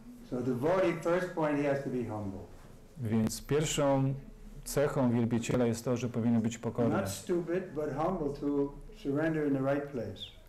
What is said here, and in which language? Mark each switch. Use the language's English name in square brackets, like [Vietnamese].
[English] So the devotee, first point, he has to be humble. [Polish] Więc pierwszą cechą wielbiciela jest to, że powinien być pokorny. [English] Not stupid, but humble to surrender in the right place.